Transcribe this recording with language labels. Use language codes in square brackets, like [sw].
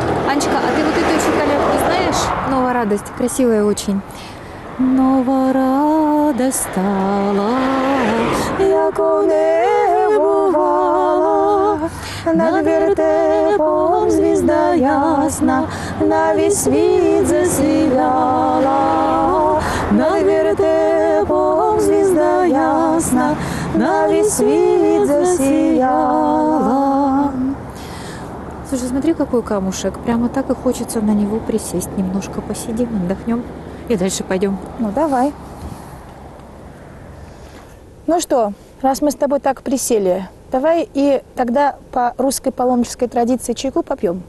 [ru] Анечка, а ты вот эту очень коляску знаешь? Новая радость, красивая очень. [uk] Нова рада стала, яко не бувала, над вертепом звезда ясна, на весь світ засіяла. Над вертепом звезда ясна, на весь світ засіяла. [ru] Слушай, смотри, какой камушек, прямо так и хочется на него присесть, немножко посидим, отдохнем. И дальше пойдем. Ну, давай. Ну что, раз мы с тобой так присели, давай и тогда по русской паломнической традиции чайку попьем.